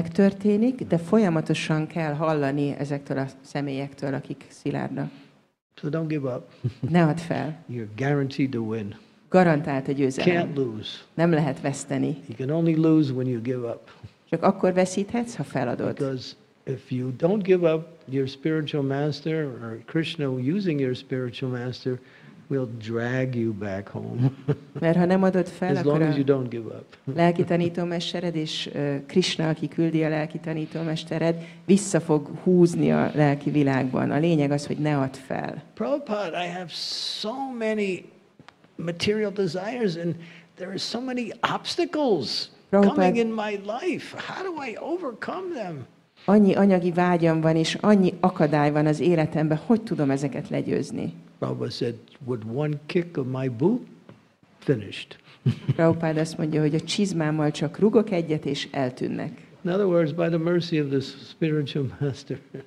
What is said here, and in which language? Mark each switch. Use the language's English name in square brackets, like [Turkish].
[Hungarian] Megtörténik, de folyamatosan kell hallani ezektől a személyektől, akik szilárdnak. [English] So don't give up. [Hungarian] Ne add fel. [English] You're guaranteed to win. [Hungarian] Garantált a győzelem. [English] Can't lose. [Hungarian] Nem lehet veszteni. [English] You can only lose when you give up. [Hungarian] Csak akkor veszíthetsz, ha feladod. [English] Because if you don't give up, your spiritual master or Krishna using your spiritual master will drag you back home. [Hungarian] Mert ha nem adod fel, [English] as long as you don't give up. [Hungarian] Lelki tanítómestered és Krishna, aki küldi a lelki tanítómestered, vissza fog húzni a lelki világban. A lényeg az, hogy ne add fel. [English] Prabhupada, I have so many material desires and there are so many obstacles coming in my life. How do I overcome them? [Hungarian] Annyi anyagi vágyam van és annyi akadály van az életemben, hogy tudom ezeket legyőzni? [English] Prabhupada said, with one kick of my boot, finished. [Hungarian] Prabhupád azt mondja, hogy a csizmámmal csak rugok egyet, és eltűnnek. [English] In other words, by the mercy of the spiritual master.